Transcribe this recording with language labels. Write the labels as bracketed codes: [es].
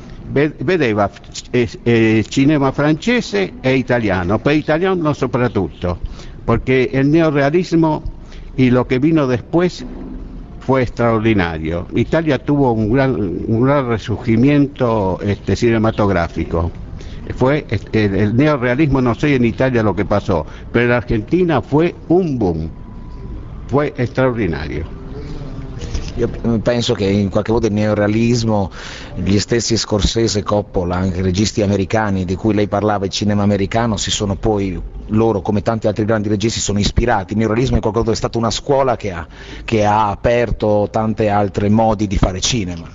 [it] Vedeva cinema francese e italiano, per italiano soprattutto, perché il neorealismo e lo che [es] vino después fue extraordinario. Italia tuvo un gran resurgimiento cinematográfico. Fue el neorrealismo, no sé en Italia lo que pasó, pero en Argentina fue un boom. Fue extraordinario. [it] Io penso che in qualche modo il neorealismo, gli stessi Scorsese, Coppola, anche i registi americani di cui lei parlava, il cinema americano, si sono poi loro, come tanti altri grandi registi, sono ispirati. Il neorealismo in qualche modo è stata una scuola che ha aperto tante altre modi di fare cinema.